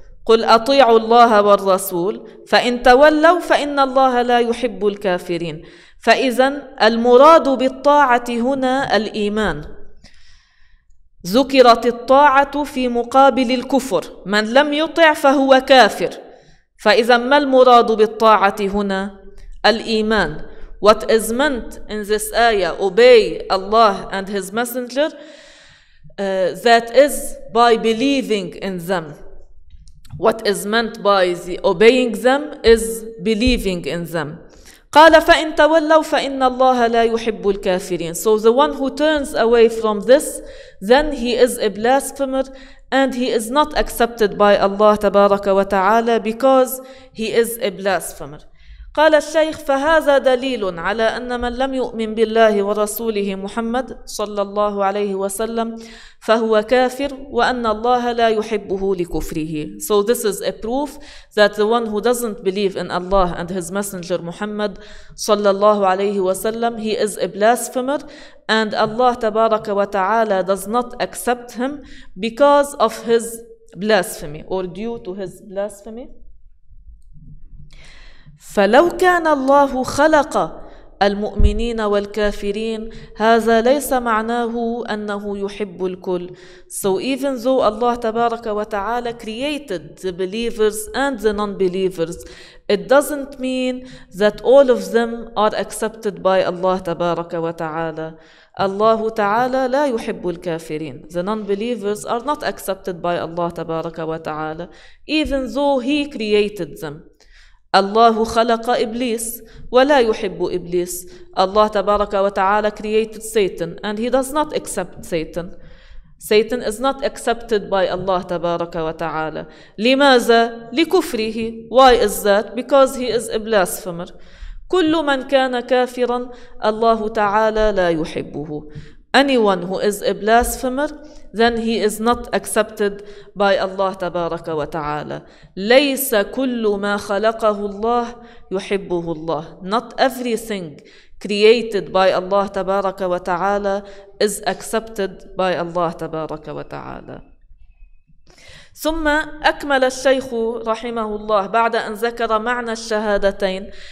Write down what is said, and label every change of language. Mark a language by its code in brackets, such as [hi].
[ar] قل أطيعوا الله والرسول فإن تولوا فإن الله لا يحب الكافرين. فإذا المراد بالطاعة هنا الإيمان. ذكرت الطاعة في مقابل الكفر, من لم يطع فهو كافر. فإذا ما المراد بالطاعة هنا؟ الإيمان. [en] What is meant in this ayah, obey Allah and His Messenger, that is by believing in them. What is meant by the obeying them is believing in them. [ar] قال فإن تولوا فإن الله لا يحب الكافرين. [en] So the one who turns away from this, then he is a blasphemer and he is not accepted by Allah [ar] تبارك وتعالى [en] because he is a blasphemer. [ar] قال الشيخ فهذا دليل على أن من لم يؤمن بالله ورسوله محمد صلى الله عليه وسلم فهو كافر وأن الله لا يحبه لكفره. [en] So this is a proof that the one who doesn't believe in Allah and his messenger Muhammad [ar] صلى الله عليه وسلم, [en] he is a blasphemer and Allah [ar] تبارك وتعالى [en] does not accept him because of his blasphemy or due to his blasphemy. [ar] فلو كان الله خلق المؤمنين والكافرين هذا ليس معناه أنه يحب الكل. [en] So even though Allah [ar] تبارك وتعالى [en] created the believers and the non-believers, it doesn't mean that all of them are accepted by Allah تبارك وتعالى. [ar] الله تعالى لا يحب الكافرين. [en] The non-believers are not accepted by Allah [ar] تبارك وتعالى [en] even though He created them. [ar] الله خلق إبليس ولا يحب إبليس. الله تبارك وتعالى [en] created Satan and he does not accept Satan. Satan is not accepted by Allah [ar] تبارك وتعالى. لماذا؟ لكفره. [en] Why is that? Because he is a blasphemer. [ar] كل من كان كافرا الله تعالى لا يحبه. [en] Anyone who is a blasphemer, then he is not accepted by Allah [ar] تبارك وتعالى. ليس كل ما خلقه الله يحبه الله. [en] Not everything created by Allah [ar] تبارك وتعالى [en] is accepted by Allah تبارك وتعالى. [ar] ثم أكمل الشيخ رحمه الله بعد أن ذكر معنى الشهادتين.